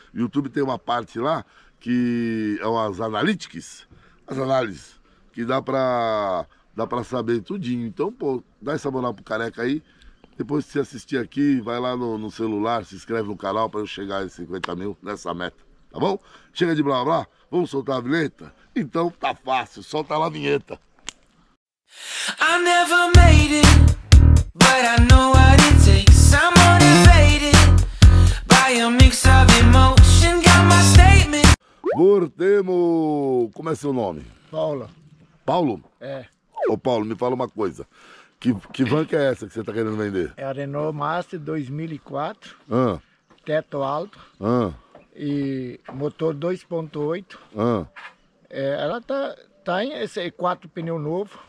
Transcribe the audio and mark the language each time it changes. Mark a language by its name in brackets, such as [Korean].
[Portuguese] O YouTube tem uma parte lá que é as analytics, as análises, que dá pra saber tudinho. Então, pô, dá essa moral pro careca aí. Depois que você assistir aqui, vai lá no celular, se inscreve no canal pra eu chegar em 50 mil nessa meta, tá bom? Chega de blá blá, vamos soltar a vinheta? Então tá fácil, solta lá a vinheta. [English] I never made it, but I know what it takes. I'm motivated by a mix of emotion, got my statement. [Portuguese] Gurtemo, como é seu nome? Paulo. Paulo? É. Ô Paulo, me fala uma coisa. Que van que é essa que você tá querendo vender? É a Renault Master 2004. Ah. Teto alto. Ah. E motor 2.8. Ah. É, ela tá em esse 4 pneu novo.